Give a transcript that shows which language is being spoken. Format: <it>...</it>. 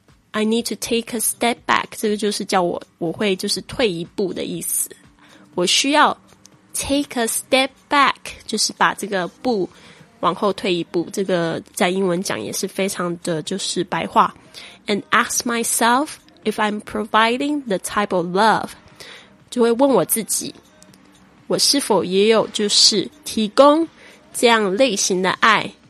<en>I need to take a step back.</en> <zh>这个就是叫我会就是退一步的意思。我需要</zh> <en>take a step back,</en> <zh>就是把这个步往后退一步。这个在英文讲也是非常的就是白话。</zh> <en>And ask myself if I'm providing the type of love.</en> <zh>就会问我自己，我是否也有就是提供这样类型的爱。</zh>